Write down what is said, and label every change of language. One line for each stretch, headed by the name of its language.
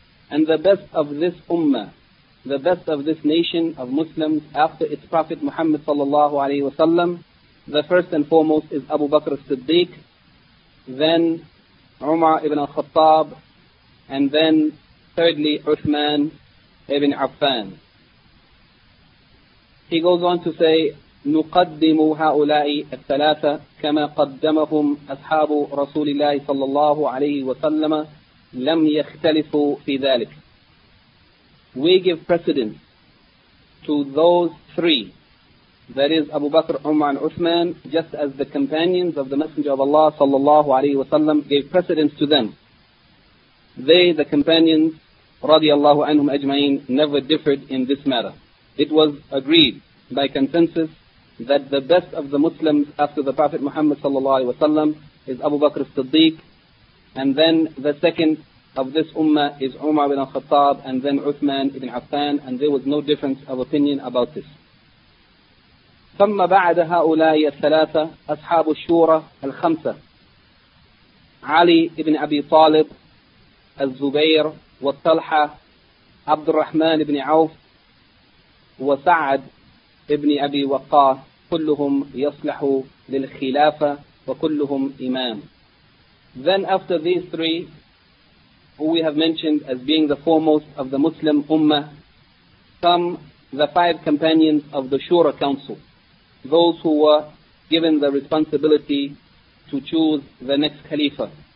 English: And the best of this ummah, the best of this nation of Muslims after its Prophet Muhammad sallallahu alaihi wasallam, the first and foremost is Abu Bakr as-Siddiq, then Umar ibn al-Khattab, and then thirdly Uthman ibn Affan. He goes on to say,
Arabic: نقدم هؤلاء الثلاثة كما قدمهم أصحاب رسول الله صلى الله عليه وسلم لم يختلفوا في ذلك.
English: We give precedence to those three, that is Abu Bakr, Umar and Uthman, just as the companions of the Messenger of Allah
Arabic: صلى الله عليه وسلم
English: gave precedence to them. They, the companions,
Arabic: رضي الله عنهم أجمعين,
English: never differed in this matter. It was agreed by consensus that the best of the Muslims after the Prophet Muhammad sallallahu alaihi wasallam is Abu Bakr as-Siddiq, and then the second of this ummah is Umar ibn al-Khattab, and then Uthman ibn Affan, and there was no difference of opinion about this.
Arabic: ثم بعد هؤلاء الثلاثة أصحاب الشورى الخمسة علي ابن أبي طالب الزبير والطلحة عبد الرحمن ابن عوف وسعد ابن أبي وقاص كلهم يصلحوا للخلافة وكلهم إمام.
English: Then after these three, who we have mentioned as being the foremost of the Muslim Ummah, come the five companions of the Shura Council, those who were given the responsibility to choose the next Khalifa.